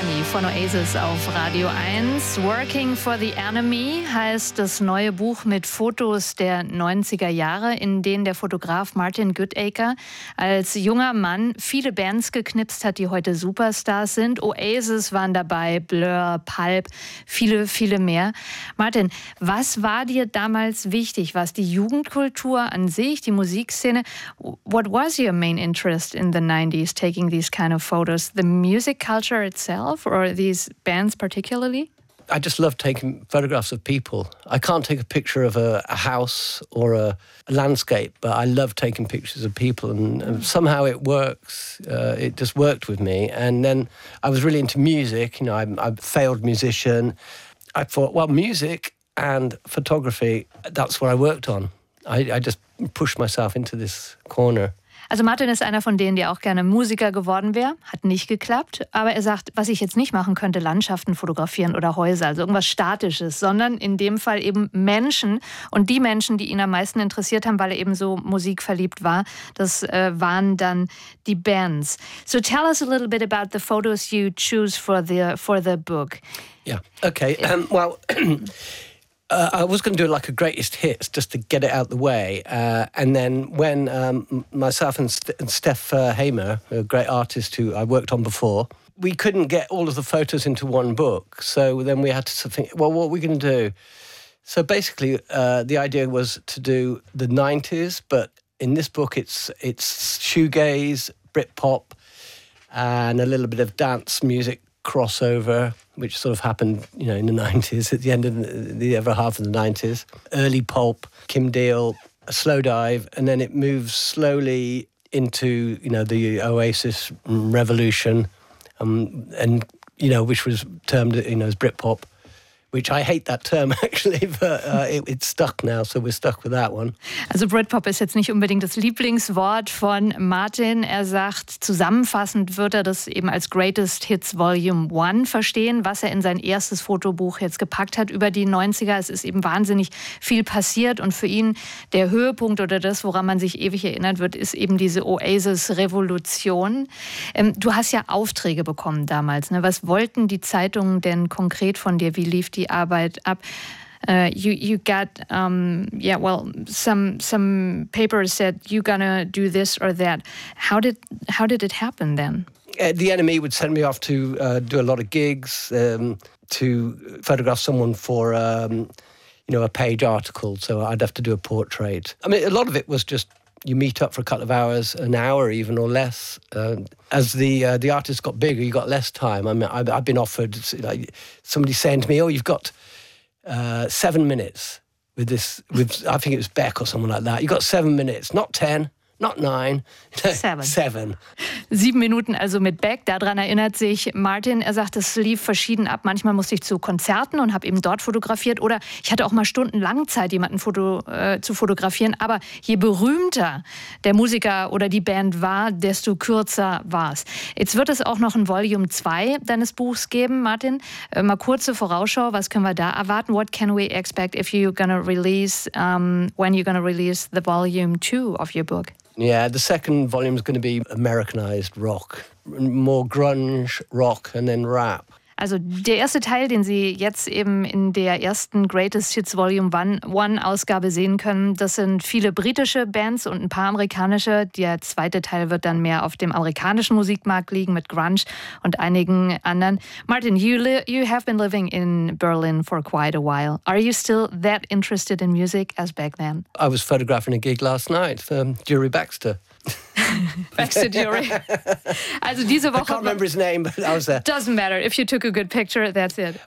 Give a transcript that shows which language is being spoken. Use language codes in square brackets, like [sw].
[de] Von Oasis auf Radio 1. Working for the Enemy heißt das neue Buch mit Fotos der 90er Jahre, in denen der Fotograf Martin Goodacre als junger Mann viele Bands geknipst hat, die heute Superstars sind. Oasis waren dabei, Blur, Pulp, viele, viele mehr. Martin, was war dir damals wichtig? War es die Jugendkultur an sich, die Musikszene? [en] What was your main interest in the 90s, taking these kind of photos? The music culture itself, or these bands particularly? I just love taking photographs of people. I can't take a picture of a house or a landscape, but I love taking pictures of people, and somehow it works. It just worked with me. And then I was really into music. You know, I'm a failed musician. I thought, well, music and photography, that's what I worked on. I just pushed myself into this corner. [de] Also Martin ist einer von denen, der auch gerne Musiker geworden wäre. Hat nicht geklappt. Aber er sagt, was ich jetzt nicht machen könnte, Landschaften fotografieren oder Häuser, also irgendwas Statisches, sondern in dem Fall eben Menschen. Und die Menschen, die ihn am meisten interessiert haben, weil er eben so musikverliebt war, das waren dann die Bands. [en] So tell us a little bit about the photos you choose for the book. Yeah, okay. Well, I was going to do like a greatest hits just to get it out the way. And then when myself and Steph Hamer, a great artist who I worked on before, we couldn't get all of the photos into one book. So then we had to think, well, what are we going to do? So basically, the idea was to do the 90s, but in this book, it's shoegaze, Britpop, and a little bit of dance music crossover, which sort of happened, you know, in the 90s, at the end of the other half of the 90s. Early Pulp, Kim Deal, a slow dive, and then it moves slowly into, you know, the Oasis revolution, and you know, which was termed, you know, as Britpop, which I hate that term, actually, but it's stuck now, so we're stuck with that one. [de] Also Britpop ist jetzt nicht unbedingt das Lieblingswort von Martin. Er sagt, zusammenfassend wird er das eben als Greatest Hits Volume 1 verstehen, was er in sein erstes Fotobuch jetzt gepackt hat über die 90er. Es ist eben wahnsinnig viel passiert, und für ihn der Höhepunkt oder das, woran man sich ewig erinnert wird, ist eben diese Oasis-Revolution. Du hast ja Aufträge bekommen damals, ne? Was wollten die Zeitungen denn konkret von dir? Wie lief die Arbeit ab? [en] You got some papers said you're gonna do this or that. How did it happen then? The Enemy would send me off to do a lot of gigs, to photograph someone for you know, a page article, so I'd have to do a portrait. I mean, a lot of it was just you meet up for a couple of hours, an hour even or less. As the artist got bigger, you got less time. I mean, I've been offered, like, somebody saying to me, "Oh, you've got 7 minutes with this." I think it was Beck or someone like that. You've got 7 minutes, not 10. Not nine, seven. [de] 7 Minuten also mit Beck, daran erinnert sich Martin. Er sagt, es lief verschieden ab. Manchmal musste ich zu Konzerten und habe eben dort fotografiert. Oder ich hatte auch mal stundenlang Zeit, jemanden zu fotografieren. Aber je berühmter der Musiker oder die Band war, desto kürzer war es. Jetzt wird es auch noch ein Volume 2 deines Buchs geben, Martin. Mal kurze Vorausschau, was können wir da erwarten? [en] What can we expect if you're gonna release, when you're gonna release the Volume 2 of your book? Yeah, the second volume is going to be Americanized rock, more grunge rock, and then rap. [de] Also der erste Teil, den Sie jetzt eben in der ersten Greatest Hits Volume 1 Ausgabe sehen können, das sind viele britische Bands und ein paar amerikanische. Der zweite Teil wird dann mehr auf dem amerikanischen Musikmarkt liegen mit Grunge und einigen anderen. [en] Martin, you have been living in Berlin for quite a while. Are you still that interested in music as back then? I was photographing a gig last night for Jury Baxter. [de] Baxter Dury. Also diese Woche. [en] I can't remember his name, but I was there. Doesn't matter. If you took a good picture, that's it.